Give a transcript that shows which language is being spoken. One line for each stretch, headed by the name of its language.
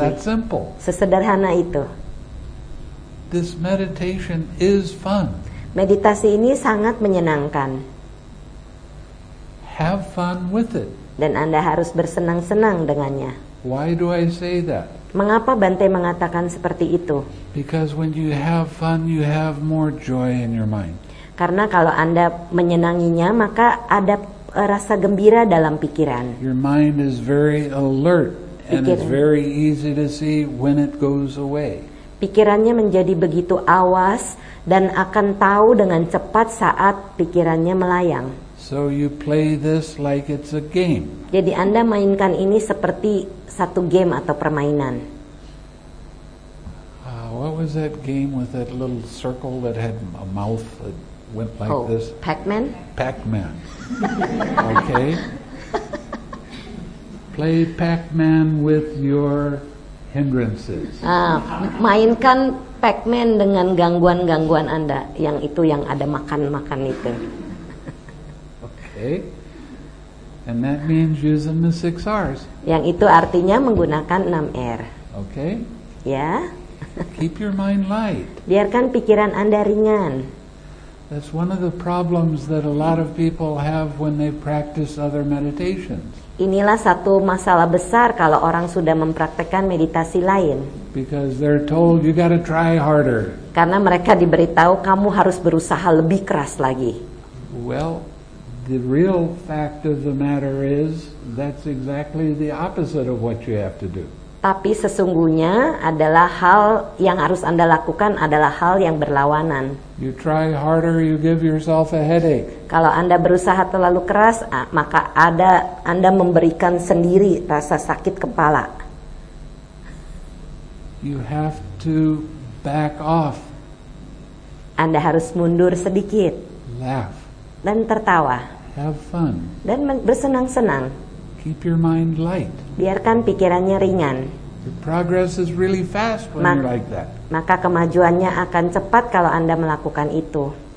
English: It's that simple.
Indonesian: Sesederhana itu.
English: This meditation is fun.
Indonesian: Meditasi ini sangat menyenangkan.
English: Have fun with it.
Indonesian: Dan Anda harus bersenang-senang dengannya.
English: Why do I say that?
Indonesian: Mengapa Bante mengatakan seperti itu?
English: Because when you have fun, you have more joy in your mind.
Indonesian: Karena kalau Anda menyenanginya, maka ada rasa gembira dalam pikiran.
English: Your mind is very alert and it's very easy to see when it goes away.
Indonesian: Pikirannya menjadi begitu awas dan akan tahu dengan cepat saat pikirannya melayang.
English: So you play this like it's a game.
Indonesian: Jadi Anda mainkan ini seperti satu game atau permainan.
English: What was that game with that little circle that had a mouth? went like oh, this? Pac-Man? Pac-Man. Okay. Play Pac-Man with your hindrances.
Indonesian: Mainkan Pac-Man dengan gangguan-gangguan Anda, yang itu yang ada makan-makan itu.
English: Okay. And that means using the six R's.
Indonesian: Yang itu artinya menggunakan 6 R.
English: Okay.
Indonesian: Ya.
English: Keep your mind light.
Indonesian: Biarkan pikiran Anda ringan.
English: That's one of the problems that a lot of people have when they practice other meditations.
Indonesian: Inilah satu masalah besar kalau orang sudah mempraktekkan meditasi lain.
English: Because they're told you got to try harder.
Indonesian: Karena mereka diberitahu kamu harus berusaha lebih keras lagi.
English: Well, the real fact of the matter is that's exactly the opposite of what you have to do.
Indonesian: Tapi sesungguhnya adalah hal yang harus Anda lakukan adalah hal yang berlawanan.
English: You try harder, you give yourself a headache.
Indonesian: Kalau Anda berusaha terlalu keras, maka ada Anda memberikan sendiri rasa sakit kepala.
English: You have to back off.
Indonesian: Anda harus mundur sedikit.
English: Laugh.
Indonesian: Dan tertawa.
English: Have fun.
Indonesian: Dan bersenang-senang.
English: Keep your mind light.
Indonesian: Biarkan pikirannya ringan.
English: Your progress is really fast when you like that.
Indonesian: Maka kemajuannya akan cepat kalau Anda melakukan itu.